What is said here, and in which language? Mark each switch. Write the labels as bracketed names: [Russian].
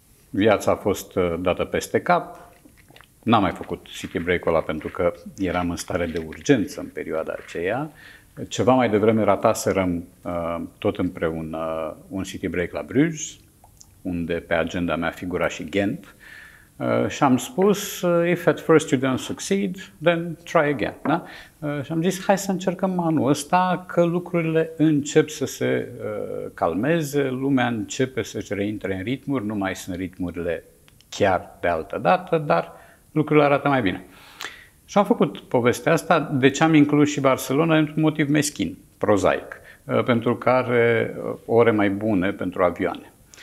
[Romanian] Viața a fost dată peste cap. N-am mai făcut city break-ul ăla pentru că eram în stare de urgență în perioada aceea. Ceva mai devreme rataserăm tot împreună un city break la Bruges, unde pe agenda mea figura și Ghent. Și am spus, [English] if at first you don't succeed, then try again. [Romanian] Da? Și am zis, hai să încercăm anul ăsta, că lucrurile încep să se calmeze, lumea începe să-și reintre în ritmuri, nu mai sunt ritmurile chiar de altă dată, dar lucrurile arată mai bine. Și am făcut povestea asta, de ce am inclus și Barcelona, într-un motiv meschin, prozaic, pentru care ore mai bune pentru avioane.